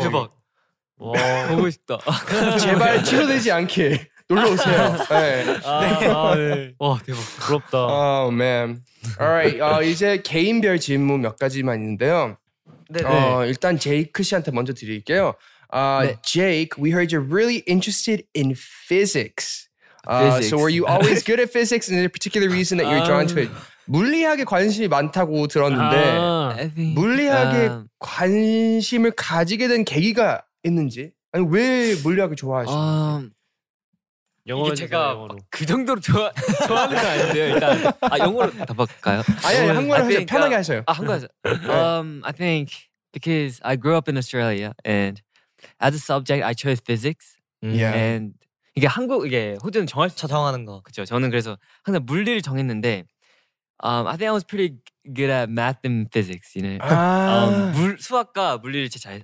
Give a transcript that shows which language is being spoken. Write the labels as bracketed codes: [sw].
[ko] 대박. 와 보고 싶다. 제발 취소되지 않게 놀러 오세요. 네. 와 대박. 부럽다. [en] 아 맨. Alright. [ko] 이제 개인별 질문 몇 가지만 있는데요. 네. 일단 제이크 씨한테 먼저 드릴게요. [en] 제이크, we heard you're really interested in physics. Physics. So were you always good at physics? And is there a particular reason that you're drawn to it? [ko] 물리학에 관심이 많다고 들었는데 물리학에 관심을 가지게 된 계기가 있는지 아니 왜 물리학을 좋아하시는지 이게 제가 그 정도로 좋아하는 거 아닌데요 일단 아 영어로 답할까요? 아니 한국말 하세요 편하게 하세요 아 한국말 하세요 [en] I think because I grew up in Australia and as a subject I chose physics yeah. [ko] and 이게 한국 이게 호주는 정할 수 정하는 거 그렇죠 저는 그래서 항상 물리를 정했는데 [en] I think I was pretty good at math and physics, you know. 아~ [ko] 수학과 물리를 제일 잘해.